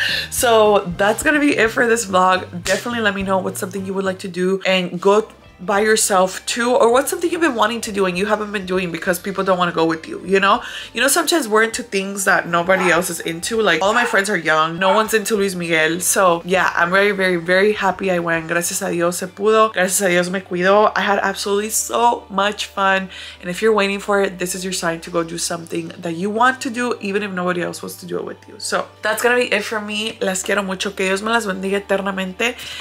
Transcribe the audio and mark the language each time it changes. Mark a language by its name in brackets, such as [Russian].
[English] So that's gonna be it for this vlog. Definitely let me know what's something you would like to do and go by yourself too, or what's something you've been wanting to do and you haven't been doing because people don't want to go with you. You know sometimes we're into things that nobody else is into. Like, all of my friends are young, no one's into Luis Miguel. So yeah, I'm very, very, very happy I went. [Spanish] Gracias a Dios se pudo, gracias a Dios me cuido. [English] I had absolutely so much fun, and if you're waiting for it, this is your sign to go do something that you want to do, even if nobody else wants to do it with you. So that's gonna be it for me. [Spanish] Las quiero mucho, que Dios me las bendiga eternamente.